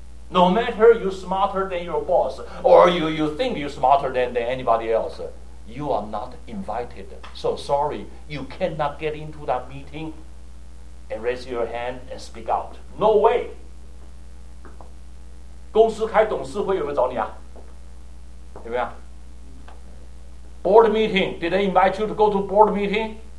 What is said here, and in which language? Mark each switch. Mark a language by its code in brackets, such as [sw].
[en] No matter you're smarter than your boss or you think you're smarter than anybody else, you are not invited. So sorry, you cannot get into that meeting and raise your hand and speak out. No way. [zh] 公司开董事会有没有找你啊? 有没有? [en] Board meeting, did they invite you to go to board meeting?